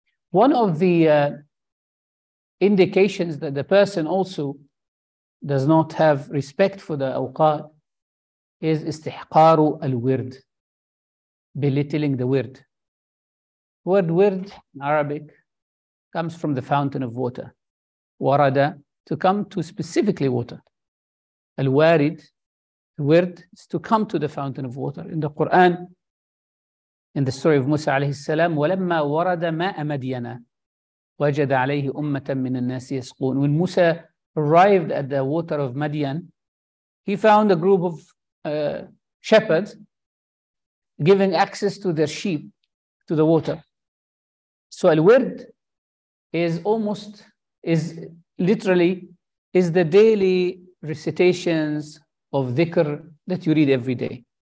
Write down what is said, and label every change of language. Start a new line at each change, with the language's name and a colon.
English: One of the indications that the person also does not have respect for the awqat is
Arabic: استحقار الورد,
English: belittling the word. Word ورد in Arabic comes from the fountain of water. ورد, to come to specifically water. الوارد, the ورد, is to come to the fountain of water. In the Quran, in the story of Musa
Arabic: عليه السلام, ولما ورد ماء مدينة وجد عليه أمة من الناس يسقون.
English: When Musa arrived at the water of Madian, he found a group of shepherds giving access to their sheep to the water. So al-wird is the daily recitations of dhikr that you read every day.